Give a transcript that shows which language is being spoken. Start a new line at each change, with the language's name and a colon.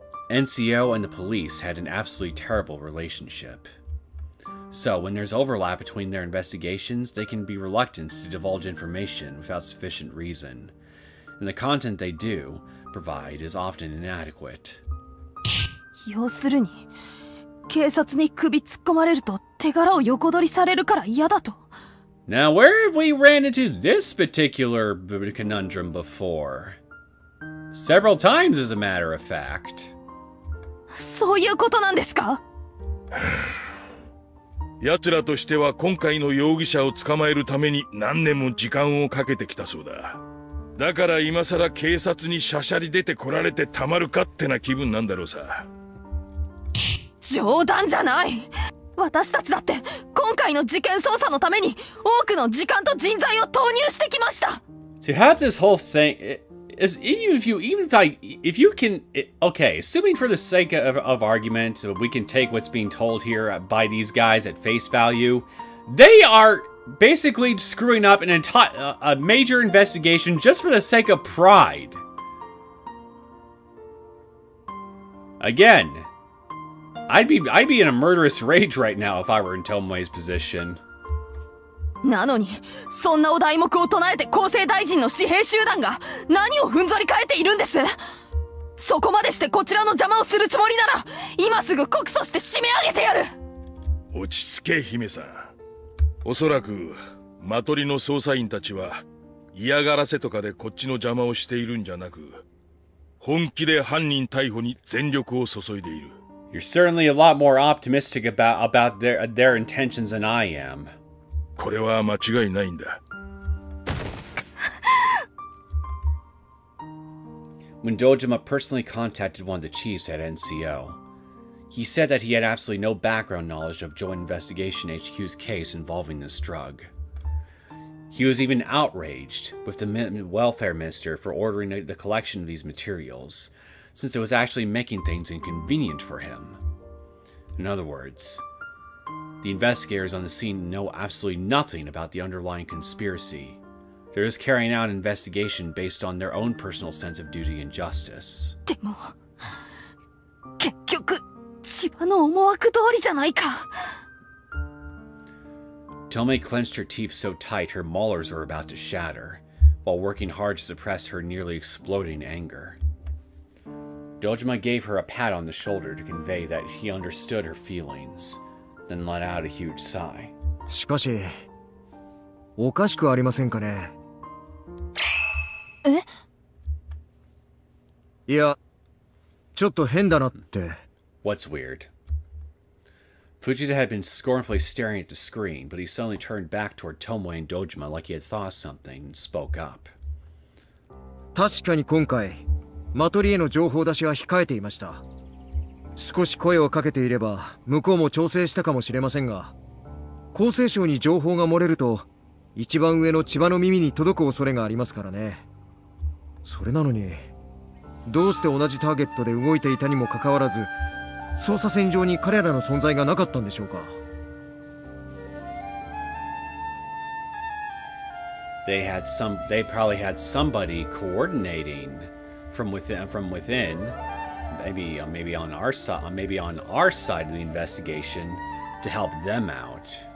English: NCO and the police had an absolutely terrible relationship. So when there's overlap between their investigations, they can be reluctant to divulge information without sufficient reason. And the content they do provide is often inadequate.
Japanese: 要するに、警察に首突っ込まれると手柄を横取りされるから嫌だと。
English: Now, where have we ran into this particular conundrum before? Several times, as a matter of fact.
Japanese: そういうことなんですか? 奴らとしては今回の容疑者を捕まえるために何年も時間をかけてきたそうだ。だから今さら警察にしゃしゃり出てこられてたまるかってな気分なんだろうさ。冗談じゃない! 私たちだって今回の事件捜査のために多くの時間と人材を投入してきました。
English: To have this whole thing is even if you can, okay, assuming for the sake of argument, we can take what's being told here by these guys at face value. They are basically screwing up an entire a major investigation just for the sake of pride. Again. I'd be in a murderous rage right now if I were in Tomoe's position.
Japanese: なのに、そんなお題目を唱えて厚生大臣の私兵集団が何をふんぞり返っているんです。そこまでしてこちらの邪魔をするつもりなら、今すぐ告訴して締め上げてやる。落ち着け、姫さん。おそらく、マトリの捜査員たちは嫌がらせとかでこっちの邪魔をしているんじゃなく、本気で犯人逮捕に全力を注いでいる。
English: You're certainly a lot more optimistic about their intentions than I am.
Japanese: これは間違いないんだ。
English: When Dojima personally contacted one of the chiefs at NCO, he said that he had absolutely no background knowledge of Joint Investigation HQ's case involving this drug. He was even outraged with the welfare minister for ordering the collection of these materials. Since it was actually making things inconvenient for him. In other words, the investigators on the scene know absolutely nothing about the underlying conspiracy. They're just carrying out an investigation based on their own personal sense of duty and justice.
Japanese: でも、結局、千葉の思惑通りじゃないか。
English: Tomoe clenched her teeth so tight her molars were about to shatter, while working hard to suppress her nearly exploding anger. Dojima gave her a pat on the shoulder to convey that he understood her feelings, then let out a huge sigh.
Japanese: しかし、おかしくありませんかね？え？いや、ちょっと変だなって。
English: What's weird? Fujita had been scornfully staring at the screen, but he suddenly turned back toward Tomoe and Dojima like he had thought something and spoke up.
Japanese: 確かに今回、マトリへの情報出しは控えていました。少し声をかけていれば、向こうも調整したかもしれませんが、厚生省に情報が漏れると、一番上の千葉の耳に届く恐れがありますからね。それなのに、どうして同じターゲットで動いていたにもかかわらず、捜査線上に彼らの存在がなかったんでしょうか。
English: They probably had somebody coordinating from within, maybe on our side of the investigation to help them out.